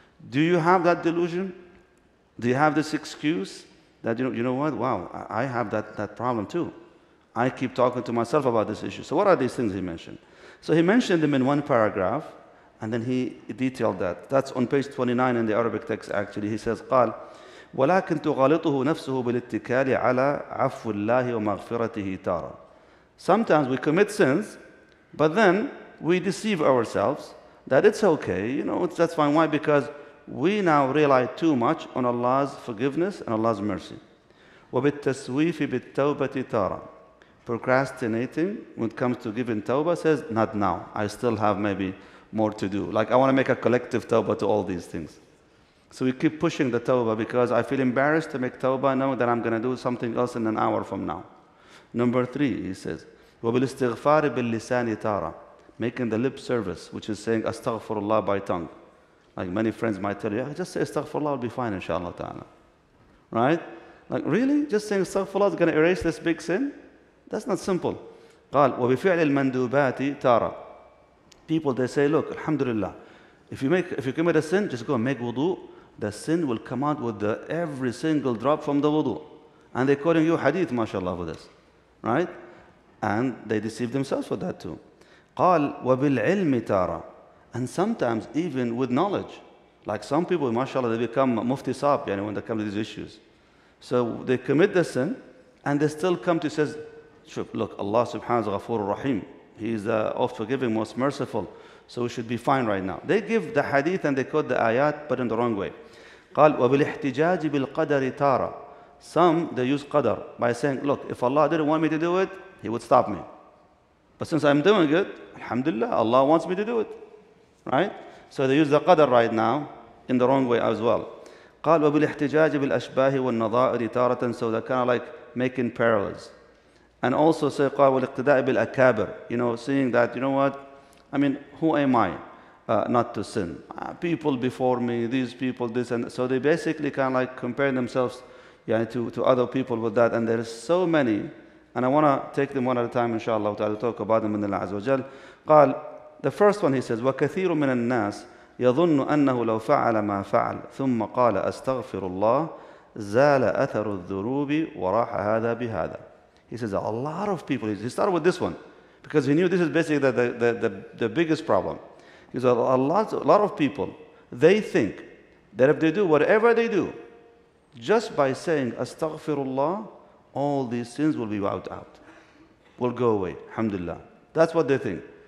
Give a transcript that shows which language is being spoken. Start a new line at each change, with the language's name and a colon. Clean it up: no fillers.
English: Do you have that delusion? Do you have this excuse that, you know what? Wow, I have that problem too. I keep talking to myself about this issue. So what are these things he mentioned? So he mentioned them in one paragraph, and then he detailed that. That's on page 29 in the Arabic text, actually. He says,
Arabic: قال ولكن تغالطه نفسه بالاتكال على عفو الله ومغفرته تارة.
English: Sometimes we commit sins, but then we deceive ourselves that it's okay, you know, that's fine. Why? Because we now rely too much on Allah's forgiveness and Allah's mercy.
Arabic: وبالتسويف بالتوبة تارة.
English: Procrastinating when it comes to giving tawbah says, not now, I still have maybe more to do. Like, I want to make a collective tawbah to all these things. So we keep pushing the tawbah because I feel embarrassed to make tawbah now that I'm going to do something else in an hour from now. Number three, he says,
Arabic: وبالاستغفار باللسان تارة,
English: making the lip service, which is saying astaghfirullah by tongue. Like many friends might tell you, yeah, just say astaghfirullah, it'll be fine, inshallah ta'ala. Right? Like, really? Just saying astaghfirullah is going to erase this big sin? That's not simple.
Arabic: قال وبفعل المندوبات تارة.
English: People, they say, look, alhamdulillah, if you commit a sin, just go and make wudu. The sin will come out with every single drop from the wudu. And they're quoting you hadith, mashallah, for this. Right? And they deceive themselves with that too.
Arabic: قال وبالعلم تارة.
English: And sometimes even with knowledge. Like some people, mashallah, they become mufti sab, you know, when they come to these issues. So they commit the sin and they still come to says, look, Allah subhanahu wa ghafoor rahim. He is the oft forgiving, most merciful. So we should be fine right now. They give the hadith and they quote the ayat, but in the wrong way.
Arabic: قال وبالاحتجاج بالقدر تارة.
English: Some, they use qadr by saying, look, if Allah didn't want me to do it, He would stop me. But since I'm doing it, alhamdulillah, Allah wants me to do it. Right? So they use the qadr right now in the wrong way as well.
Arabic: قال وبالاحتجاج بالأشباه والنظائر تارة.
English: So they're kind of like making parallels. And also say,
Arabic: قَالْ وَالْاِقْتِدَاءِ بِالْأَكَابِرِ.
English: You know, seeing that, you know what? I mean, who am I not to sin? People before me, these people, this, and so they basically kind of like compare themselves to other people with that. And there are so many, and I want to take them one at a time, inshallah, to talk about them in Allah Azza wa Jal.
Arabic: قال,
English: the first one, he says,
Arabic: وَكَثِيرٌ مِنَ النَّاسِ يَظُنُّ أَنَّهُ لَوْ فَعَلَ مَا فَعَلَ ثُمَّ قَالَ أَسْتَغْفِرُ اللَّهِ زَالَ أَثَرُ الذُّنُوبِ وَرَاحَ هَذَا بِهَذَا.
English: He says, a lot of people, he started with this one, because he knew this is basically the biggest problem. He says, a lot of people, they think that if they do whatever they do, just by saying astaghfirullah, all these sins will be wiped out, will go away, alhamdulillah. That's what they think.